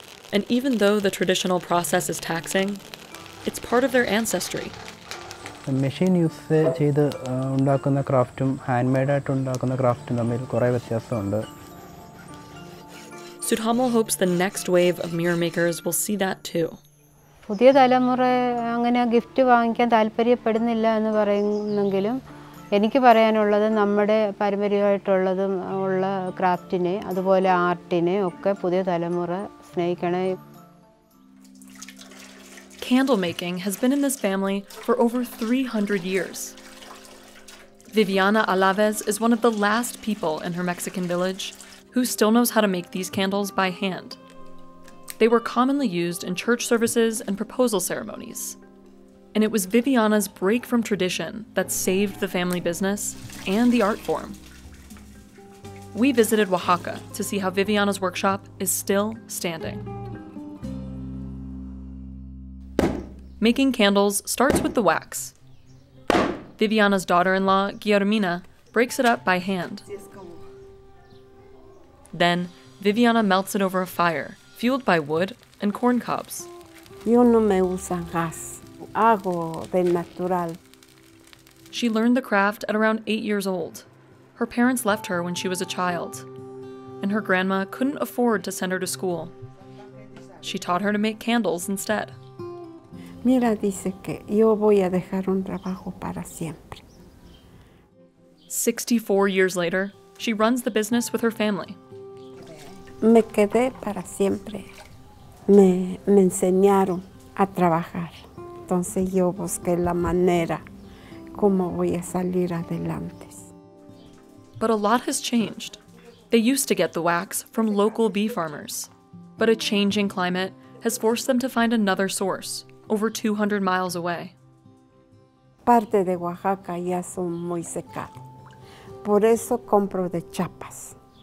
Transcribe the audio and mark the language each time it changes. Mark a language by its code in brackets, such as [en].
[en] And even though the traditional process is taxing, it's part of their ancestry. Machine use [ml] ചെയ്തു ഉണ്ടാക്കുന്ന ക്രാഫ്റ്റും handmade ആയിട്ട് ഉണ്ടാക്കുന്ന ക്രാഫ്റ്റും തമ്മിൽ കുറേ വ്യത്യാസമുണ്ട്. [en] Sudhamal hopes the next wave of mirror makers will see that too. [ml] പുതിയ തലമുറ അങ്ങനെ ഗിഫ്റ്റ് വാങ്ങിക്കാൻ താൽപര്യപ്പെടുന്നില്ല എന്ന് പറയുന്നെങ്കിലും എനിക്ക് പറയാനുള്ളത് നമ്മുടെ പാരമ്പര്യമായിട്ടുള്ളതും ഉള്ള ക്രാഫ്റ്റിനെ അതുപോലെ ആർട്ടിനെ ഒക്കെ പുതിയ തലമുറ സ്നേഹിക്കണേ. [en] Candle making has been in this family for over 300 years. Viviana Alaves is one of the last people in her Mexican village who still knows how to make these candles by hand. They were commonly used in church services and proposal ceremonies. And it was Viviana's break from tradition that saved the family business and the art form. We visited Oaxaca to see how Viviana's workshop is still standing. Making candles starts with the wax. Viviana's daughter-in-law, Guillermina, breaks it up by hand. Then, Viviana melts it over a fire, fueled by wood and corn cobs. [es] Yo no me uso gas. Hago de natural. [en] She learned the craft at around 8 years old. Her parents left her when she was a child, and her grandma couldn't afford to send her to school. She taught her to make candles instead. [es] Mira, dice que yo voy a dejar un trabajo para siempre. [en] 64 years later, she runs the business with her family. [es] Me quedé para siempre. Me enseñaron a trabajar. Entonces yo busqué la manera cómo voy a salir adelante. [en] But a lot has changed. They used to get the wax from local bee farmers. But a changing climate has forced them to find another source, over 200 miles away. [es] Parte de Oaxaca ya son muy secado. Por eso compro de Chiapas.